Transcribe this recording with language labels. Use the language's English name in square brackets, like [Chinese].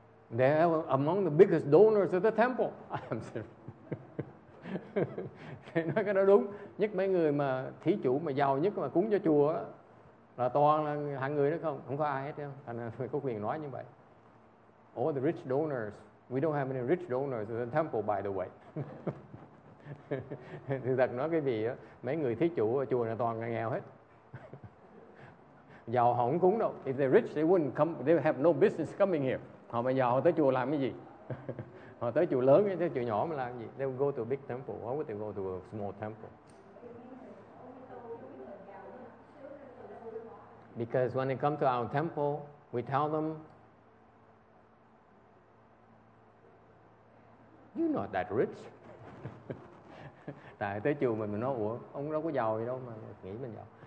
[English] They're among the biggest donors of the temple. I'm sorry. [Vietnamese] Nói cái đó đúng nhất, mấy người mà thí chủ mà giàu nhất mà cúng cho chùa đó, là toàn là hàng người đó, không có ai hết đâu. Thành ra tôi có quyền nói như vậy. [English] All the rich donors, we don't have any rich donors in the temple, by the way. [Vietnamese] Thực thật nói cái gì á, mấy người thí chủ ở chùa là toàn là nghèo hết. Giàu họ không cúng đâu. [English] If they're rich, they wouldn't come, they have no business coming here. [Vietnamese] Họ mà giàu họ tới chùa làm cái gì? Họ tới chùa lớn hay tới chùa nhỏ mà làm gì? [English] They will go to a big temple, or they will go to a small temple. Because when they come to our temple, we tell them, you're not that rich. [Vietnamese] Tại tới chùa mình nói, ủa, ông đâu có giàu gì đâu mà nghĩ mình giàu.